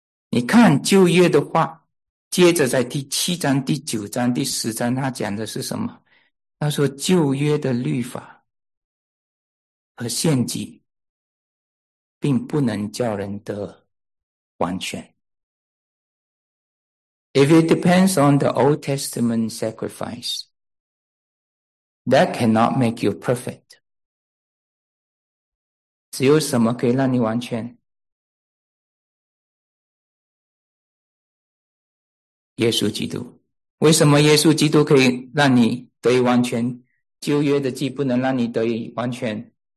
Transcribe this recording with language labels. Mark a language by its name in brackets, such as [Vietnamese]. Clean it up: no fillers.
[Chinese] 你看旧约的话，接着在第七章第九章第十章他讲的是什么？他说旧约的律法和献祭并不能叫人得完全。 [English] If it depends on the Old Testament sacrifice, that cannot make you perfect. [Chinese] 只有什么可以让你完全？耶稣基督。为什么耶稣基督可以让你得以完全？旧约的祭不能让你得以完全？